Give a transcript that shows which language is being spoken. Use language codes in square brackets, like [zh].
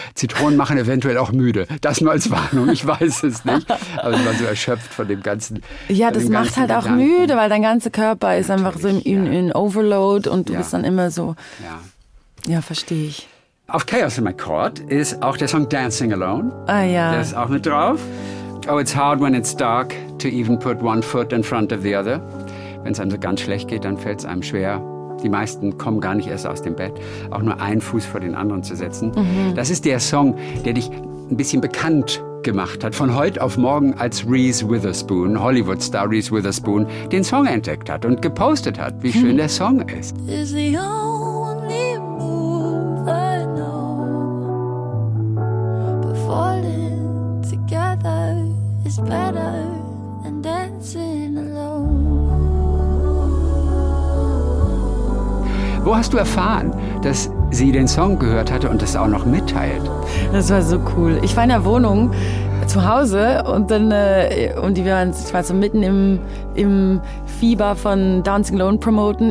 [de] Zitronen machen eventuell auch müde. Das nur als Warnung, ich weiß es nicht. Aber sie waren so erschöpft von dem ganzen. Ja, das macht halt auch müde, weil dein ganzer Körper ist einfach so in Overload und du bist dann immer so. Ja. Ja, verstehe ich. Auf Chaos in My Court ist auch der Song Dancing Alone. Ah ja. Der ist auch mit drauf. [en] Oh, it's hard when it's dark to even put one foot in front of the other. [de] Wenn es einem so ganz schlecht geht, dann fällt es einem schwer. Die meisten kommen gar nicht erst aus dem Bett, auch nur einen Fuß vor den anderen zu setzen. Mhm. Das ist der Song, der dich ein bisschen bekannt gemacht hat. Von heute auf morgen als Reese Witherspoon, Hollywood-Star Reese Witherspoon, den Song entdeckt hat und gepostet hat, wie schön der Song ist. [en] Is the only move I know before together is better than dancing alone. [de] Wo hast du erfahren, dass sie den Song gehört hatte und das auch noch mitteilt? Das war so cool. Ich war in der Wohnung zu Hause und dann ich war so mitten im Fieber von Dancing Alone promoten.